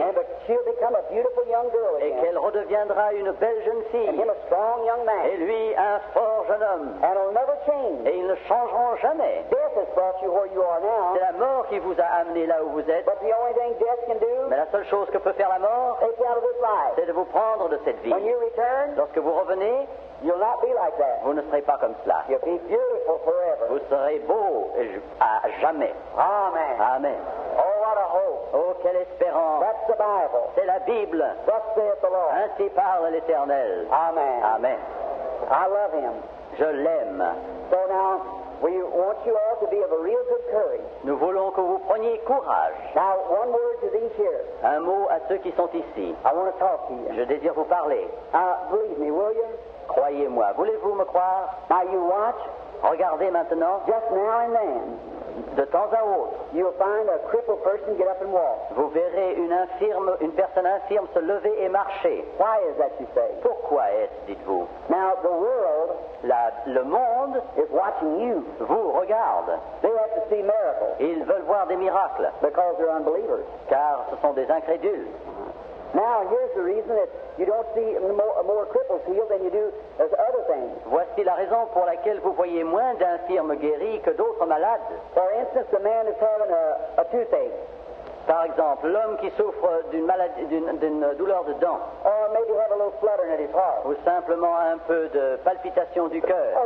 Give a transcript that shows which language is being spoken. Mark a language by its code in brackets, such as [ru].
[en] and she'll become a beautiful young girl again, [fr] et qu'elle redeviendra une belle jeune fille. [en] And him a strong young man. [fr] Et lui, un fort jeune homme. [en] And it'll never change. [fr] Et ils ne changeront jamais. [en] Death has brought you where you are now. [fr] C'est la mort qui vous a amené là où vous êtes. [en] But the only thing death can do, [fr] mais la seule chose que peut faire la mort, [en] take you out of this life, [fr] c'est de vous prendre de cette vie. [en] When you return, [fr] lorsque vous revenez, [en] you'll not be like that. [fr] Vous ne serez pas comme cela. [en] You'll be beautiful forever. [fr] Vous serez beau à jamais. [en] Amen. [fr] Amen. [en] Oh, what a hope. [fr] Oh, quelle espérance. [en] That's the Bible. [fr] C'est la Bible. [en] Thus saith the Lord. [fr] Ainsi parle l'Éternel. [en] Amen. [fr] Amen. [en] I love him. [fr] Je l'aime. [en] So now, we want you all to be of a real good courage. [fr] Nous voulons que vous preniez courage. [en] Now, one word to these here. [fr] Un mot à ceux qui sont ici. [en] I want to talk to you. [fr] Je désire vous parler. [en] Believe me, will you? [fr] Croyez-moi. Voulez-vous me croire? [en] Now you watch. [fr] Regardez maintenant. [en] Just now and then. [fr] De temps à autre. [en] You'll find a crippled person get up and walk. [fr] Vous verrez une personne infirme se lever et marcher. [en] Why is that, you say? [fr] Pourquoi est-ce, dites-vous? [en] Now the world, [fr] le monde, [en] is watching you. [fr] Vous regarde. [en] They have to see miracles. [fr] Ils veulent voir des miracles. [en] Because they're unbelievers. [fr] Car ce sont des incrédules. [en] Now here's the reason that you don't see more cripples healed than you do as other things. [fr] Voici la raison pour laquelle vous voyez moins d'infirmes guéris que d'autres malades. [en] For instance, a man is having a toothache. [fr] Par exemple, l'homme qui souffre d'une maladie, d'une douleur de dent. [en] Or maybe have a little fluttering at his heart. [fr] Ou simplement un peu de palpitation du cœur.